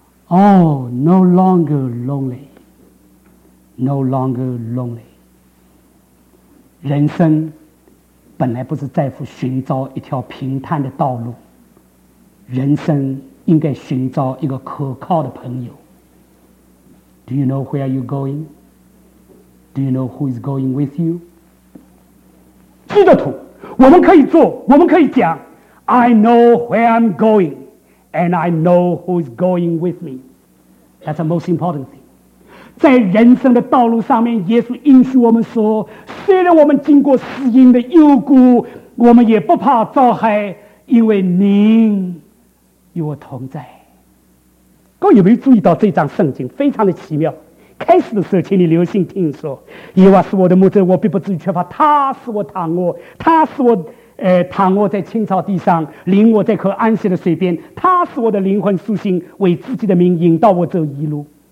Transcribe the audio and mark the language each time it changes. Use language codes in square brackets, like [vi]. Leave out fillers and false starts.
[en] Oh, no longer lonely. No longer lonely. [zh] 人生本来不是在乎寻找一条平坦的道路，人生应该寻找一个可靠的朋友。 [en] Do you know where you're going? Do you know who is going with you? [zh] 基督徒，我们可以做，我们可以讲 [en] I know where I'm going, and I know who is going with meThat's the most important thing. [zh] 在人生的道路上面，耶稣应许我们说，虽然我们经过死荫的幽谷，我们也不怕遭害，因为您与我同在。各位有没有注意到这张圣经非常的奇妙？开始的时候请你留心听说，耶和华是我的牧者，我必不至于缺乏，他是我躺卧，他是我躺卧在青草地上，领我在可安歇的水边，他是我的灵魂苏醒，为自己的名引导我走一路。